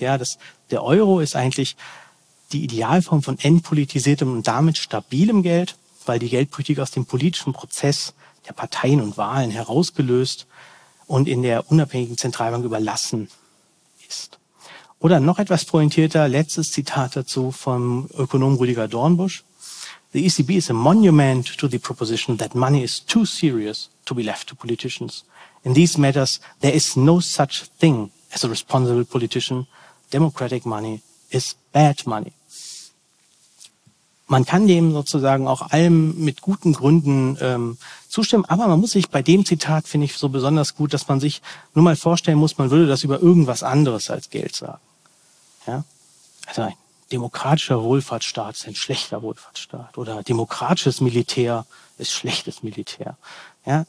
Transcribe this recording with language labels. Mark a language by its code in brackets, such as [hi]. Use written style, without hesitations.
[de] Ja, der Euro ist eigentlich die Idealform von entpolitisiertem und damit stabilem Geld, weil die Geldpolitik aus dem politischen Prozess der Parteien und Wahlen herausgelöst und in der unabhängigen Zentralbank überlassen ist. Oder noch etwas pointierter, letztes Zitat dazu vom Ökonom Rüdiger Dornbusch. [en] The ECB is a monument to the proposition that money is too serious to be left to politicians. In these matters, there is no such thing as a responsible politician. Democratic money is bad money. [de] Man kann dem sozusagen auch allem mit guten Gründen zustimmen, aber man muss sich bei dem Zitat, finde ich, so besonders gut, dass man sich nur mal vorstellen muss, man würde das über irgendwas anderes als Geld sagen. Ja? Also ein demokratischer Wohlfahrtsstaat ist ein schlechter Wohlfahrtsstaat oder demokratisches Militär ist schlechtes Militär. Ja?